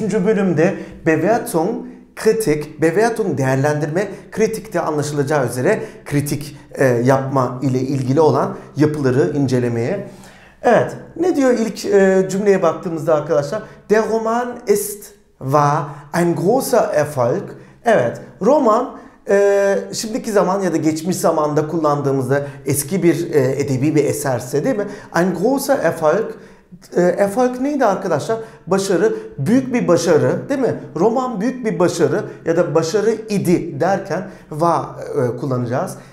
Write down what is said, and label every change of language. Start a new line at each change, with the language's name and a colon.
Turkish: bölümde Bewertung, kritik, Bewertung değerlendirme, kritikte anlaşılacağı üzere kritik yapma ile ilgili olan yapıları incelemeye. Evet, ne diyor ilk cümleye baktığımızda arkadaşlar?
German: Der Roman ist war ein großer Erfolg.
Turkish: Evet, roman şimdiki zaman ya da geçmiş zamanda kullandığımızda eski bir edebi bir eserse değil mi?
German: Ein großer Erfolg.
Turkish: Erfolg neydi arkadaşlar? Başarı, büyük bir başarı değil mi? Roman büyük bir başarı ya da başarı idi derken war kullanacağız.